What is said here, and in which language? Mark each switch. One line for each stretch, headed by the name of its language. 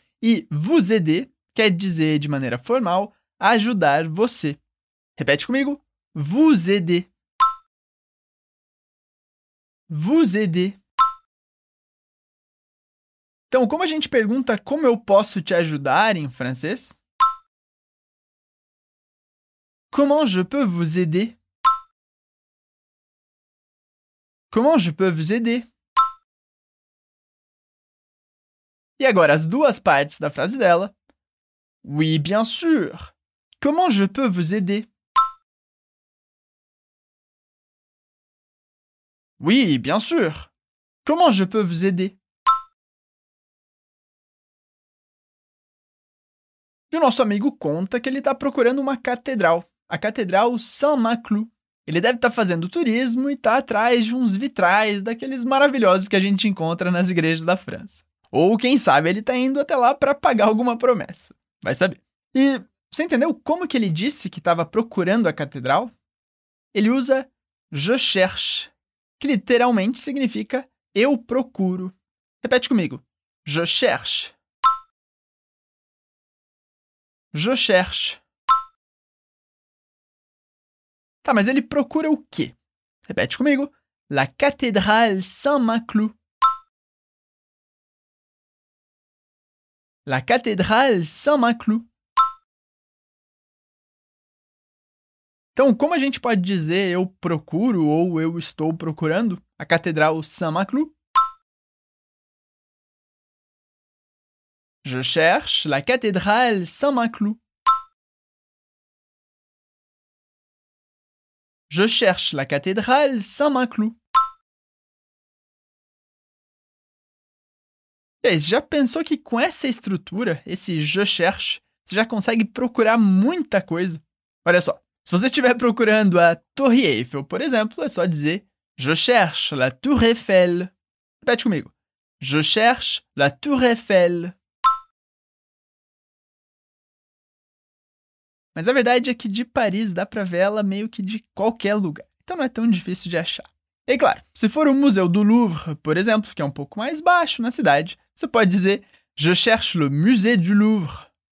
Portuguese: E
French: vous aider
Portuguese: quer dizer, de maneira formal, ajudar você. Repete comigo.
French: Vous aider. Vous aider.
Portuguese: Então, como a gente pergunta como eu posso te ajudar em francês?
French: Comment je peux vous aider? Comment je peux vous aider?
Portuguese: E agora, as duas partes da frase dela.
French: Oui, bien sûr. Comment je peux vous aider? Oui, bien sûr. Comment je peux vous aider?
Portuguese: E o nosso amigo conta que ele está procurando uma catedral, a Catedral Saint-Maclou. Ele deve estar fazendo turismo e está atrás de uns vitrais daqueles maravilhosos que a gente encontra nas igrejas da França. Ou, quem sabe, ele está indo até lá para pagar alguma promessa. Vai saber. E você entendeu como que ele disse que estava procurando a catedral? Ele usa
French: je cherche,
Portuguese: que literalmente significa eu procuro. Repete comigo.
French: Je cherche. Je cherche.
Portuguese: Tá, mas ele procura o quê? Repete comigo.
French: La cathédrale Saint-Maclou. La cathédrale Saint-Maclou.
Portuguese: Então, como a gente pode dizer eu procuro ou eu estou procurando a catedral Saint-Maclou?
French: Je cherche la cathédrale Saint-Maclou. Je cherche la cathédrale Saint-Maclou.
Portuguese: E aí, você já pensou que com essa estrutura, esse
French: je cherche,
Portuguese: você já consegue procurar muita coisa? Olha só, se você estiver procurando a Torre Eiffel, por exemplo, é só dizer
French: je cherche la Tour Eiffel.
Portuguese: Repete comigo.
French: Je cherche la Tour Eiffel.
Portuguese: Mas a verdade é que de Paris dá pra ver ela meio que de qualquer lugar, então não é tão difícil de achar. E claro, se for o Museu do Louvre, por exemplo, que é um pouco mais baixo na cidade, você pode dizer
French: je cherche le musée du Louvre.